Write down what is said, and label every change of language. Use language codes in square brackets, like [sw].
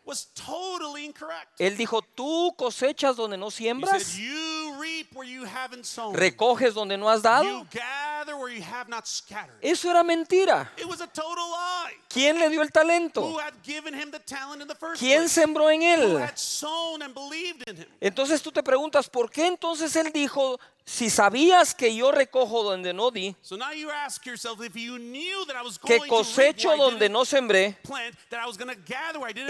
[en] Was totally incorrect. [es] Él dijo, tú cosechas donde no siembras. [en] He said, you reap where you haven't sown. [es] Recoges donde no has dado. [en] You gather where you have not scattered. [es] Eso era mentira. [en] It was a total lie. [es] ¿Quién le dio el talento? [en] Who had given him the talent in the first [es] ¿Quién [en] place? [es] Sembró en él? [en] Who had sown and believed in him? [es] Entonces tú te preguntas, ¿por qué entonces él dijo, si sabías que yo recojo donde no di, [en] so now you ask yourself, if you knew that I was going [es] que cosecho donde [en] I didn't [es] no sembré, [en] plant, that I was going to gather where I didn't